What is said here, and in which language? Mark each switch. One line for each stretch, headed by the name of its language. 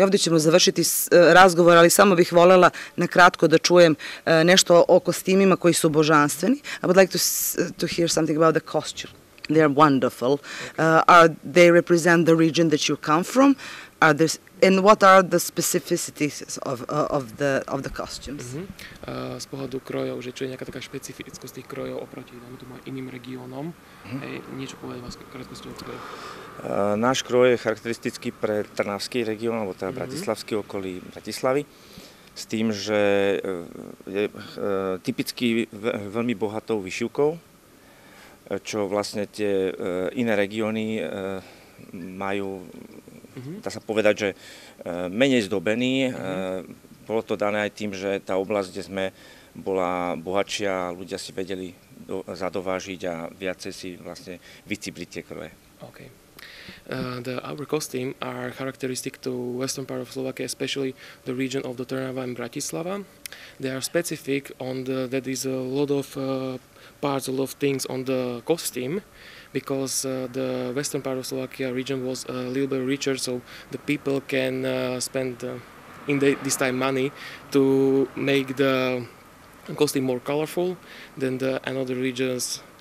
Serbian: I ovde ćemo završiti razgovor, ali samo bih volela na kratko da čujem nešto oko stimima koji su božanstveni.
English: I would like to hear something about the costume. They are wonderful. Okay. They represent the region that you come from. And what are the specificities of the costumes? Mm-hmm.
Slovak: Z pohľadu krojov, že čo je nejaká taká špecifickosť tých krojov oproti dáme tomu iným regiónom. Mm-hmm. Niečo povedať vás krátkosť o kroju? Náš kroj je charakteristický pre trnavský region, alebo teda mm-hmm. bratislavský okolí Bratislavy. S tým, že je typicky veľmi bohatou vyšivkou, čo vlastne tie iné regióny majú, dá sa povedať, že menej zdobený. Bolo to dané aj tým, že tá oblasť, kde sme, bola bohatšia, ľudia si vedeli zadovážiť a viacej si vlastne vycibli tie kroje.
English: Okay. Our costume are characteristic to western part of Slovakia, especially the region of the Trnava and Bratislava. They are specific on the, that is a lot of parts, a lot of things on the costume, because the western part of Slovakia region was a little bit richer, so the people can spend in this time money to make the costume more colorful than the another regions.